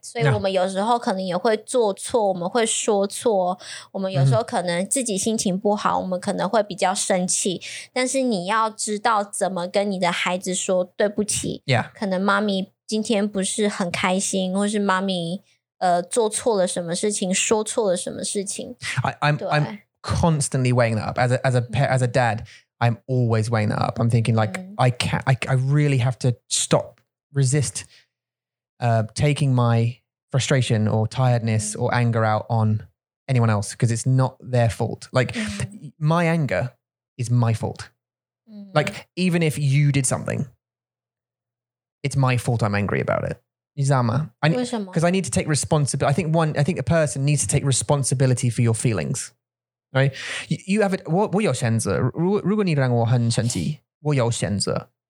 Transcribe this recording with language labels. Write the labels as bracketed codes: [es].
[zh] 所以我们有时候可能也会做错,我们会说错,我们有时候可能自己心情不好,我们可能会比较生气。但是你要知道怎么跟你的孩子说对不起。可能妈咪今天不是很开心,或是妈咪做错了什么事情,说错了什么事情。I'm [en] constantly weighing that up. As a dad, I'm always weighing that up. I'm thinking like, I really have to stop, resist taking my frustration or tiredness or anger out on anyone else because it's not their fault. Like my anger is my fault. Like even if you did something, it's my fault I'm angry about it. Nizama. Because I need to take responsibility. I think a person needs to take responsibility for your feelings. Right, you have it. [zh] 我有选择. 如果你让我很生气, 我有选择.